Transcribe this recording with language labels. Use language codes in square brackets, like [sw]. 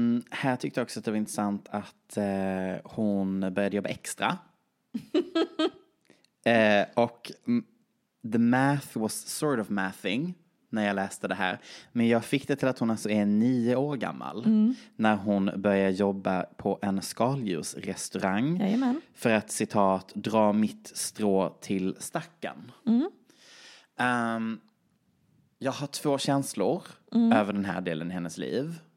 [sv] Här tyckte jag också att det var intressant att hon började jobba extra. Och [en] the math was sort of mathing. [sv] När jag läste det här. Men jag fick det till att hon alltså är 9 år gammal. Mm. När hon börjar jobba på en skaldjursrestaurang. Jajamän. För att, citat, dra mitt strå till stacken. Mm. Jag har 2 känslor över den här delen i hennes liv.